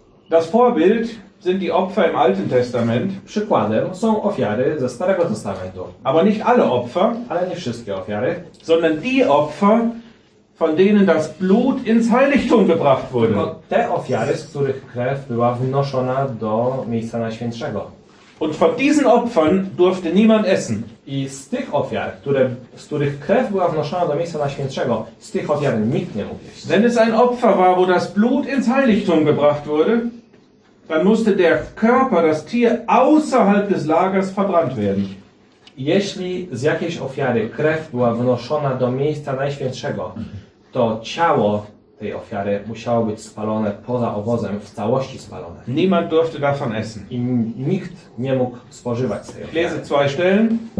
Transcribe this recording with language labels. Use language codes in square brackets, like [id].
[de] Das Vorbild sind die Opfer im Alten Testament. [pl] Przykładem są ofiary ze Starego Testamentu. [de] Aber nicht alle Opfer, [pl] ale nie wszystkie ofiary, [de] sondern die Opfer, von denen das Blut ins Heiligtum gebracht wurde. [pl] Te ofiary, z których krew była wnoszona do miejsca najświętszego. [de] Und von diesen Opfern durfte niemand essen. [pl] I z tych ofiar, które, z których krew była wnoszona do miejsca najświętszego, z tych ofiar nikt nie mógł jeść. [de] Wenn es ein Opfer war, wo das Blut ins Heiligtum gebracht wurde, dann musste der Körper, das Tier, außerhalb des Lagers verbrannt werden. [pl] Jeśli z jakiejś ofiary krew była wnoszona do miejsca najświętszego, to ciało tej ofiary musiało być spalone poza obozem, w całości spalone. [de] Niemand durfte davon essen. [pl] I nikt nie mógł spożywać tej ofiary. [de] Lese zwei Stellen.